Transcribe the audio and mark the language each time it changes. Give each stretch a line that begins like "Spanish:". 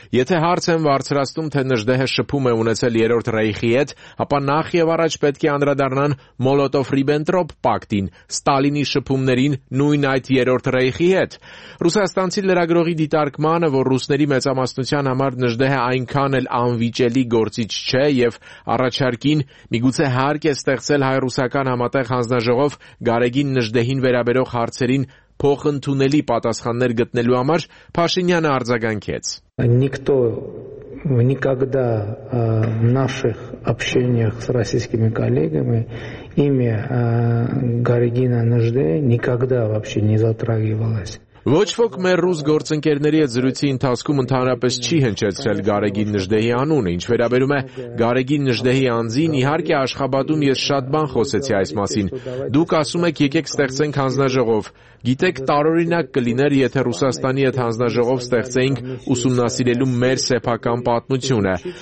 Armenian: «Եթե հարց եմ բարձրացնում, թե Նժդեհը շփում է ունեցել Երրորդ Ռեյխի հետ, ապա նախ և առաջ պետք է անդրադառնան Մոլոտով-Ռիբենտրոպ պակտին, Ստալինի շփումներին նույն այդ Երրորդ Ռեյխի հետ»։ Ռուսաստանցի լրագրողի դիտարկմանը, որ ռուսների մեծամասնության համար Նժդեհը այնքան էլ անվիճելի գործիչ չէ և առաջարկին միգուցե հարկ է ստեղծել հայ-ռուսական համատեղ հանձնաժողով Գարեգին Նժդեհին վերաբերող հարցերին փոխընդունելի պատասխաններ գտնելու համար, Փաշինյանը արձագանքեց.
Russian: Никто никогда в наших общениях с российскими коллегами имя Гарегина Нжде никогда вообще не затрагивалось.
Armenian: Ոչ ոք մեր ռուս գործընկերների հետ զրույցի ընթացքում ընդհանրապես չի հնչեցրել Գարեգին Նժդեհի անունը։ Ինչ վերաբերում է Գարեգին Նժդեհի անձին, իհարկե Աշխաբադում ես շատ բան խոսեցի այս մասին։ Դուք ասում եք, եկեք ստեղծենք հանձնաժողով։ Գիտեք, տարօրինակ կլիներ, եթե Ռուսաստանի հետ հանձնաժողով ստեղծեինք ուսումնասիրելու մեր սեփական պատմությունը։